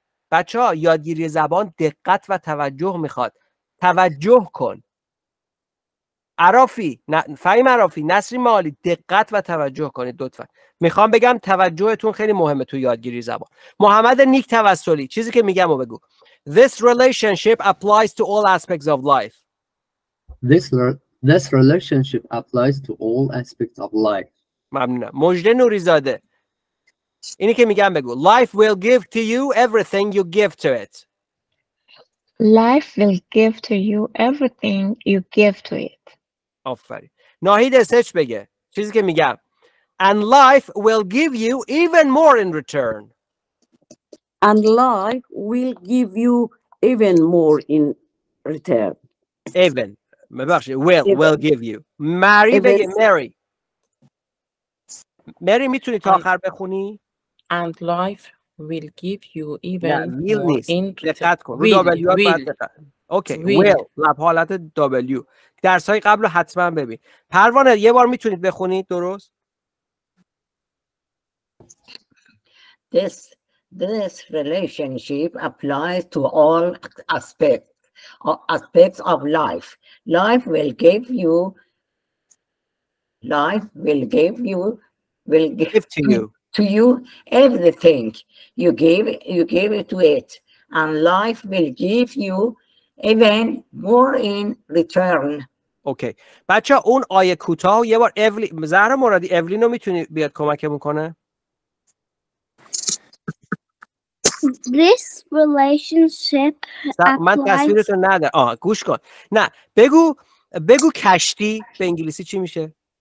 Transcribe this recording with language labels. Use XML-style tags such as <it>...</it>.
<fa>بچه‌ها یادگیری زبان دقت و توجه میخواد، توجه کن. عرافی فهیم عرافی نسرین معالی دقت و توجه کنید لطفا. میخوام بگم توجهتون خیلی مهمه تو یادگیری زبان. محمد نیک توسلی چیزی که میگم رو بگو.</fa> <en>This relationship applies to all aspects of life. This relationship applies to all aspects of life.</en> <fa>ممنونم. مجده نوریزاده اینی که میگم بگو.</fa> <en>Life will give to you everything you give to it. Life will give to you everything you give to it.</en> <fa>آفرین. ناهید اسچ بگه چیزی که میگم.</fa> <en>And life will give you even more in return. And life will give you even more in return. Even.</en> <fa>ببخشید.</fa> <en>Will. Even. Will give you. Mary even.</en> <fa>بگه.</fa> <en>Mary.</en> <fa>Mary میتونی تا آخر بخونی؟</fa> <en>And life will give you even more in return. Will. Okay. Will.</en> <fa>حالت W. درس های قبل رو حتما ببین. پروانه یه بار میتونید بخونید درست؟</fa> <en>This relationship applies to all aspects of life. Life will give to you everything you give to it, and life will give you even more in return.</en> <fa>اوکی بچه ها اون آیه کوتاه یه بار زهره مرادی اولین رو میتونی بیاد کمکمون کنه؟</fa> <en>This relationship applies.</en> <fa>من تصویرتو ندارم. آها گوش کن. نه بگو کشتی به انگلیسی چی میشه؟</fa>